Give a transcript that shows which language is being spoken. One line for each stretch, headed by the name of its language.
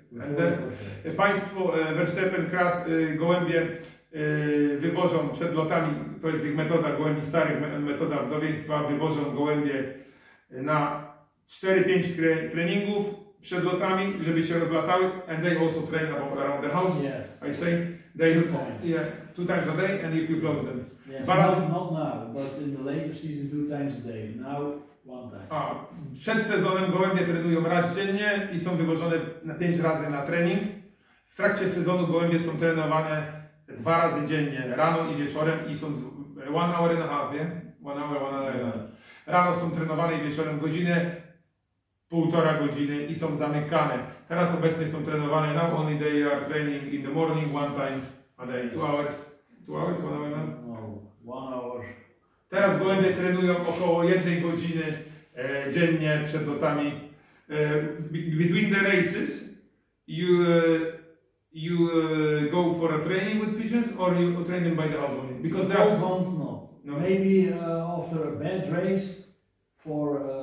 Polish: Before and then Państwo Verstappen Kras gołębie wywożą przed lotami, to jest ich metoda gołębi starych, metoda wdowieństwa, wywożą gołębie na 4-5 treningów przed lotami, żeby się rozlatały,
English: and they also train around the house. Yes. I say they do two times a day and you close them. Yes. But not now, but in the later season 2 times a day. Now one time.
Polish: A przed sezonem gołębie trenują raz dziennie i są wywożone na 5 razy na trening. W trakcie sezonu gołębie są trenowane 2 razy dziennie, rano i wieczorem, i są
English: 1 hour and a half, yeah? 1 hour,
Polish: 1 hour. Rano są trenowane i wieczorem godzinę, 1,5 godziny i są zamykane. Teraz obecnie są trenowane,
English: now only they are training in the morning, one time a day, 2 hours. 2 hours, 1 hour and a half? No, 1 hour.
Polish: Teraz gołębie trenują około 1 godziny dziennie przed lotami.
English: Between the races, you go for a training with pigeons or you train them by the alphabet? Because there are some... No. Maybe after a bad race for